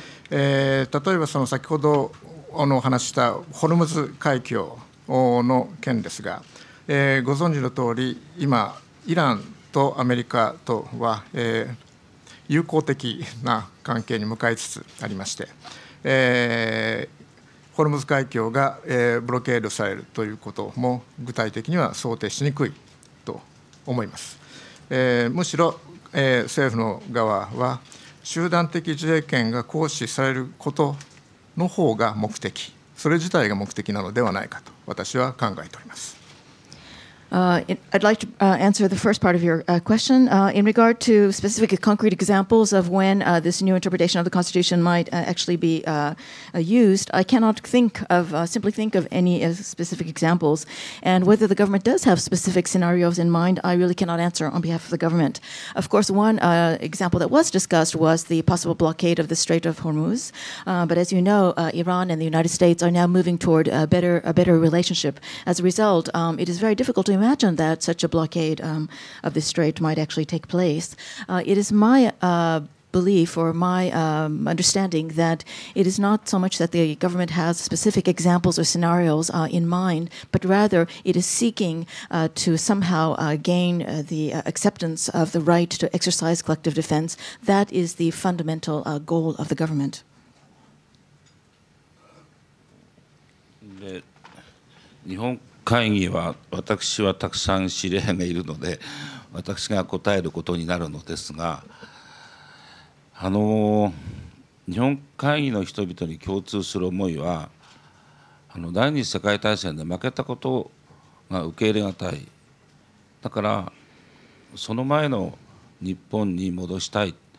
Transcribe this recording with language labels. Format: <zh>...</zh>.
<ja>例えばその先ほどお話したホルムズ海峡の件ですが、ご存知の通り今イランとアメリカとは、友好的な関係に向かいつつありまして、ホルムズ海峡がブロケードされるということも具体的には想定しにくいと思います。むしろ政府の側は集団的自衛権が行使されることの方が目的、それ自体が目的なのではないかと私は考えております。</ja> <en>I'd like to answer the first part of your question. In regard to specific concrete examples of when this new interpretation of the Constitution might actually be used, I cannot think of any specific examples. And whether the government does have specific scenarios in mind, I really cannot answer on behalf of the government. Of course, one example that was discussed was the possible blockade of the Strait of Hormuz. But as you know, Iran and the United States are now moving toward a better relationship. As a result, it is very difficult to imagine that such a blockade of the strait might actually take place. It is my belief or my understanding that it is not so much that the government has specific examples or scenarios in mind, but rather it is seeking to somehow gain the acceptance of the right to exercise collective defense. That is the fundamental goal of the government.</en> <ja>The 日本会議は私はたくさん司令がいるので私が答えることになるのですが、日本会議の人々に共通する思いは、第二次世界大戦で負けたことが受け入れがたい、だからその前の日本に戻したい。</ja>